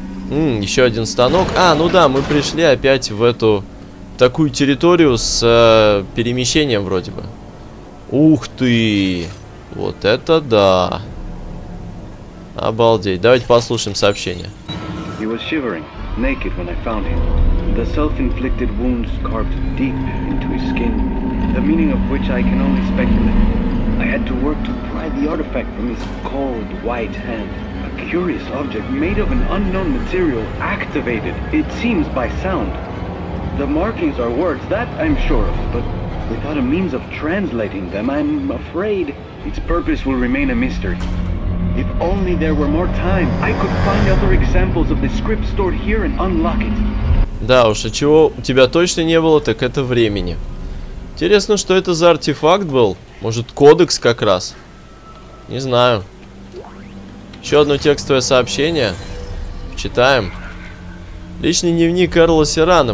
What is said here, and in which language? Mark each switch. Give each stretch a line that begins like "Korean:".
Russian: Еще один станок. Мы пришли опять в эту... такую территорию с перемещением вроде бы. Ух ты! Вот это да! Обалдеть. Давайте послушаем сообщение.
English: He was shivering, naked when I found him. The self-inflicted wounds carved deep into his skin, the meaning of which I can only speculate. I had to work to pry the artifact from his cold, white hand. A curious object made of an unknown material activated, it seems, by sound. The markings are words, that I'm sure of, but without a means of translating them, I'm afraid its purpose will remain a mystery. If only there were more time, I could find other examples of the script stored here and unlock it.
Russian: Да уж, а чего у тебя точно не было, так это времени. Интересно, что это за артефакт был? Может, кодекс как раз? Не знаю. Еще одно текстовое сообщение. Читаем. Личный дневник Эрла Сирана.